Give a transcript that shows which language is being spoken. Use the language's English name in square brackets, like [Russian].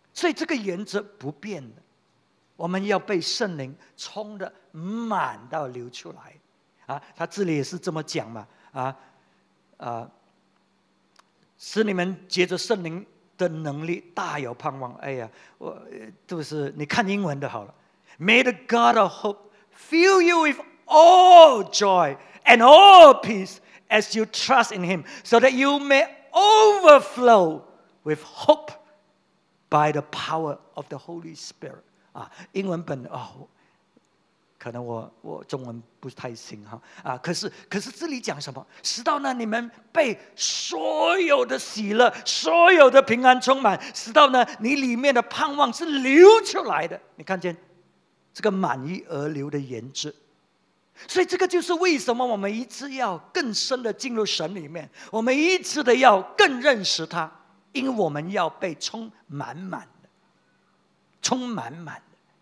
[Chinese] 所以这个原则不变的，我们要被圣灵充的满到流出来啊。他这里也是这么讲嘛，使你们藉着圣灵的能力大有盼望。哎呀，我就是你看英文的好了 [English] ，May the God of hope fill you with all joy and all peace as you trust in him, so that you may overflow with hope by the power of the Holy Spirit. [Chinese] 英文本哦，可能我中文不太行哈啊，可是这里讲什么？使到呢你们被所有的喜乐、所有的平安充满，使到呢你里面的盼望是流出来的。你看见这个满意而流的原则。所以这个就是为什么我们一直要更深的进入神里面，我们一直的要更认识他，因为我们要被充满满的，充满满的。